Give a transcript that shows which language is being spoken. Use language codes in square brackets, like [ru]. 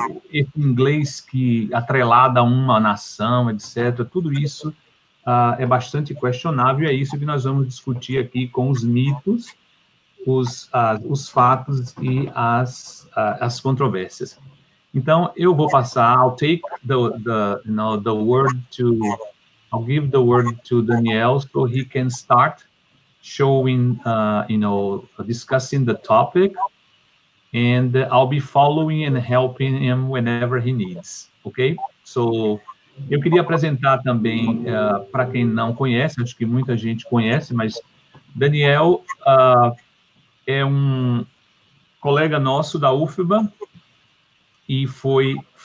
[pt] esse inglês que atrelado a uma nação, etc., tudo isso é bastante questionável, e é isso que nós vamos discutir aqui com os mitos, os fatos e as controvérsias. Então, eu vou passar, [en] I'll take the word to, I'll give the word to Daniel, so he can start showing, discussing the topic, and I'll be following and helping him whenever he needs, okay? [pt] So, eu queria apresentar também, para quem não conhece, acho que muita gente conhece, mas Daniel é um colega nosso da UFBA e foi